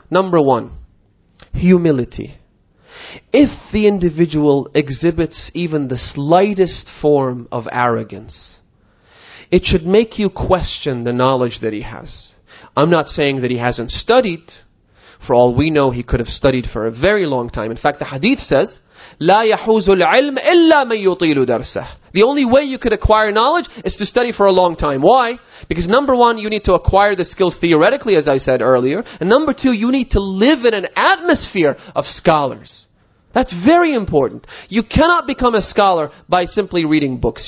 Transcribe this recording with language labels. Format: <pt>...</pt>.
<en>Number one, humility. If the individual exhibits even the slightest form of arrogance, it should make you question the knowledge that he has. I'm not saying that he hasn't studied. For all we know, he could have studied for a very long time. In fact, the hadith says,</en> <ar>لَا يَحُوزُ الْعِلْمِ إِلَّا مَنْ يُطِيلُ دَرْسَهُ.</ar> <en>The only way you could acquire knowledge is to study for a long time. Why? Because number one, you need to acquire the skills theoretically, as I said earlier. And number two, you need to live in an atmosphere of scholars. That's very important. You cannot become a scholar by simply reading books.</en>